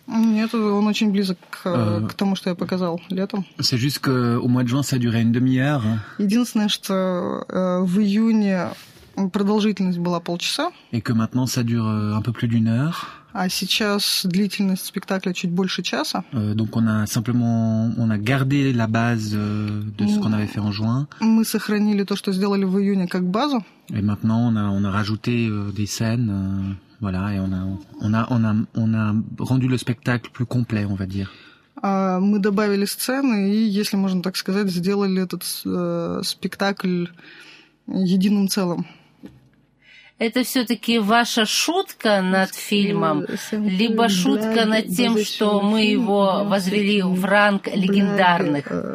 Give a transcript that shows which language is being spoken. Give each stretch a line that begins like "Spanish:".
Russian: Нет, он очень близок к тому, что я показал летом.
French: C'est juste qu'au mois de juin, ça durait une demi-heure.
Russian: Единственное, что в июне продолжительность была полчаса.
French: Et que maintenant, ça dure un peu plus d'une heure.
Russian: А сейчас длительность спектакля чуть больше часа.
French: Donc on a simplement on a gardé la base de ce qu'on avait fait en juin.
Russian: Мы сохранили то, что сделали в июне, как базу.
French: Et maintenant on a rajouté des scènes, voilà, et on a rendu le spectacle plus complet, on va dire.
Russian: Мы добавили сцены и, если можно так сказать, сделали этот спектакль единым целым. Это все-таки ваша шутка над фильмом, либо шутка над тем, что мы его возвели в ранг легендарных?